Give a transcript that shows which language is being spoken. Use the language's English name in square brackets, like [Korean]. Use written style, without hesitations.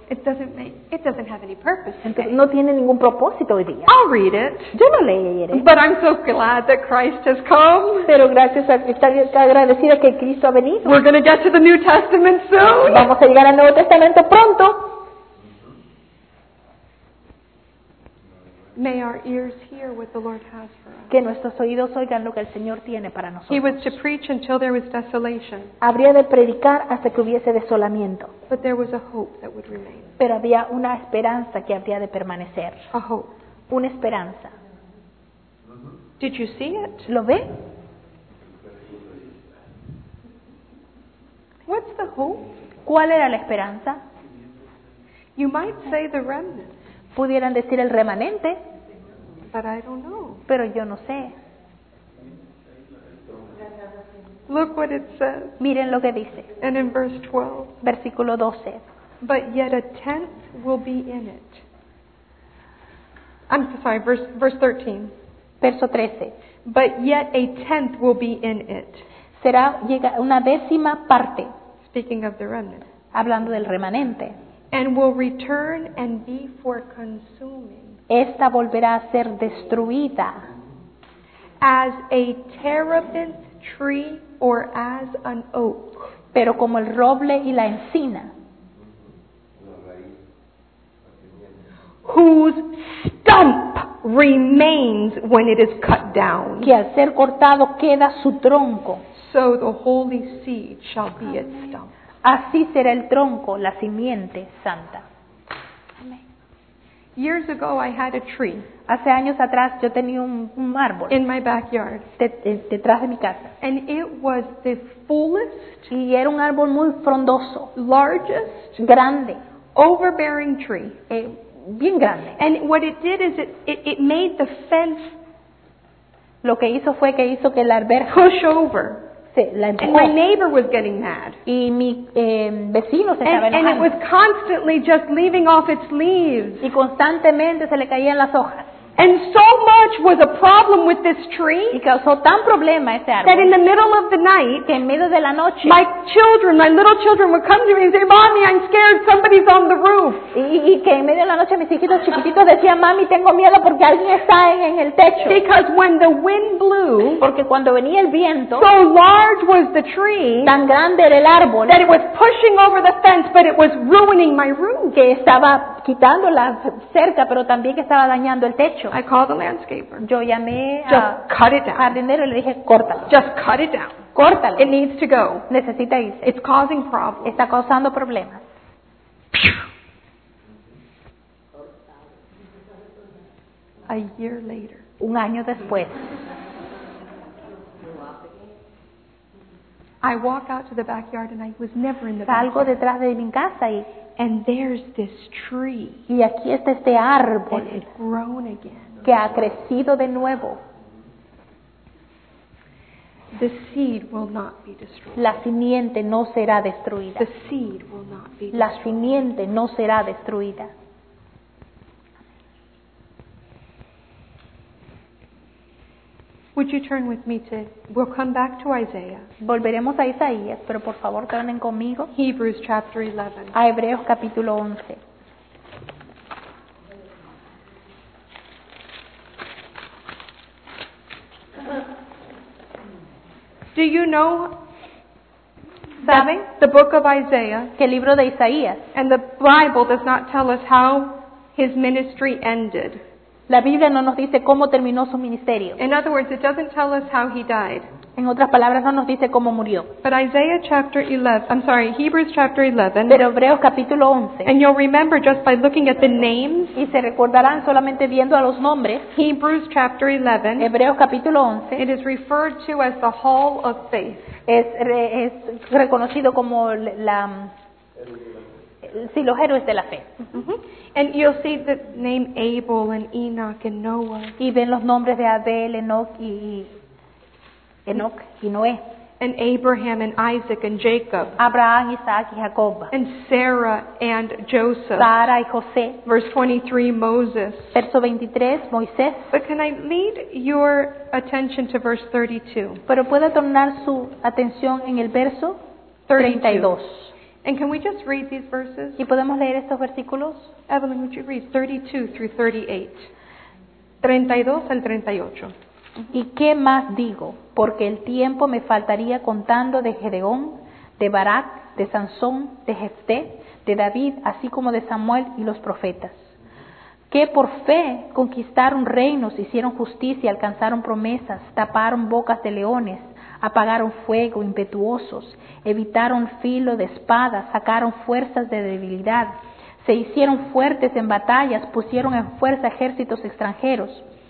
[English] It doesn't have any purpose. [Spanish] No tiene ningún propósito hoy día. [English] I'll read it. [Spanish] Yo lo leeré. [English] But I'm so glad that Christ has come. [Spanish] Pero gracias a estar agradecida que Cristo ha venido. [English] We're going to get to the New Testament soon. [Spanish] Vamos a llegar al Nuevo Testamento pronto. [English] May our ears hear what the Lord has for us. [Spanish] Que nuestros oídos oigan lo que el Señor tiene para nosotros. [English] He was to preach until there was desolation. [Spanish] Habría de predicar hasta que hubiese desolamiento. [English] But there was a hope that would remain. [Spanish] Pero había una esperanza que habría de permanecer. [English] A hope. [Spanish] Una esperanza. [English] Did you see it? [Spanish] ¿Lo ve? [English] What's the hope? [Spanish] ¿Cuál era la esperanza? [English] You might say the remnant. [Spanish] Pudieran decir el remanente, [English] but I don't know. [Spanish] Pero yo no sé. [English] Look what it says. [Spanish] Miren lo que dice. [English] And in verse 12, [Spanish] versículo 12. [English] But yet a tenth will be in it. I'm sorry, verse 13. [Spanish] Verso 13. [English] But yet a tenth will be in it. [Spanish] Será llega una décima parte. [English] Speaking of the remnant. [Spanish] Hablando del remanente. [English] And will return and be for consuming. [Spanish] Esta volverá a ser destruida. [English] As a terebinth tree or as an oak. [Spanish] Pero como el roble y la encina. [English] Whose stump remains when it is cut down. [Spanish] Que al ser cortado queda su tronco. [English] So the holy seed shall be its stump. [Spanish] Así será el tronco, la simiente santa. [English] Years ago, I had a tree. [Spanish] Hace años atrás, yo tenía un árbol. [English] In my backyard. [Spanish] Detrás de mi casa. [English] And it was the fullest. [Spanish] Y era un árbol muy frondoso. [English] Largest. [Spanish] Grande. [English] Overbearing tree. [Spanish] Bien grande. [English] And what it did is it made the fence. [Spanish] Lo que hizo fue que hizo que el alberja. [English] Push over. And my neighbor was getting mad. [Spanish] Y mi vecino se estaba enojando. [English] And it was constantly just leaving off its leaves. [Spanish] Y constantemente se le caían las hojas. [English] And so much was a problem with this tree. [Spanish] Y causó tan problema ese árbol. [English] That in the middle of the night, [Spanish] que en medio de la noche, [English] my little children would come to me and say, "Mommy, I'm scared. Somebody's on the roof." [Spanish] Y que en medio de la noche mis hijitos chiquititos decían, "Mami, tengo miedo porque alguien está en el techo." [English] Because when the wind blew, [Spanish] porque cuando venía el viento, [English] so large was the tree, [Spanish] tan grande era el árbol, [English] that it was pushing over the fence, but it was ruining my room. [Spanish] Que estaba quitando la cerca, pero también que estaba dañando el techo. [English] I called the landscaper. [Spanish] Yo llamé al jardinero y le dije, córtalo. [English] Just cut it down. [Spanish] Córtalo. [English] It needs to go. [Spanish] Necesita irse. [English] It's causing problems. [Spanish] Está causando problemas. [English] A year later. [Spanish] Un año después. [English] I walk out to the backyard and I was never in the backyard. [Spanish] Salgo detrás de mi casa y. [English] And there's this tree. [Spanish] Y aquí está este árbol. [English] That had grown again. [Spanish] Que ha crecido de nuevo. [English] The seed will not be destroyed. [Spanish] La simiente no será destruida. [English] The seed will not be destroyed. [Spanish] La simiente no será destruida. [English] Would you turn with me to? We'll come back to Isaiah. [Spanish] Volveremos a Isaías, pero por favor, tornen conmigo. [English] Hebrews chapter 11. [Spanish] A Hebreos capítulo 11. [English] Do you know, [Spanish] saben, [English] the book of Isaiah? [Spanish] Que el libro de Isaías. [English] And the Bible does not tell us how his ministry ended. [Spanish] La Biblia no nos dice cómo terminó su ministerio. [English] In other words, it doesn't tell us how he died. [Spanish] En otras palabras, no nos dice cómo murió. [English] But Isaiah chapter 11, I'm sorry, Hebrews chapter 11. [Spanish] Pero Hebreos capítulo 11. [English] And you'll remember just by looking at the names. [Spanish] Y se recordarán solamente viendo a los nombres. [English] Hebrews chapter 11. [Spanish] Hebreos capítulo 11. [English] It is referred to as the hall of faith. [Spanish] Es reconocido como la sí, los héroes de la fe. Mm-hmm. [English] And you'll see the name Abel and Enoch and Noah. [Spanish] Y ven los nombres de Abel, Enoch y Enoch y Noé. [English] And Abraham and Isaac and Jacob. [Spanish] Abraham, Isaac y Jacob. [English] And Sarah and Joseph. [Spanish] Sara y José. [English] Verse 23, Moses. [Spanish] Verso 23, Moisés. [English] But can I lead your attention to verse 32? [Spanish] Pero puedo tornar su atención en el verso 32. [English] And can we just read these verses? [Spanish] ¿Y podemos leer estos versículos? [English] Evelyn, would you read 32 through 38? [Spanish] 32 al 38. ¿Y qué más digo? Porque el tiempo me faltaría contando de Gedeón, de Barak, de Sansón, de Jefté, de David, así como de Samuel y los profetas, que por fe conquistaron reinos, hicieron justicia, alcanzaron promesas, taparon bocas de leones, apagaron fuego impetuosos, evitaron filo de espada, sacaron fuerzas de debilidad, se hicieron fuertes en batallas, pusieron en fuerza ejércitos extranjeros.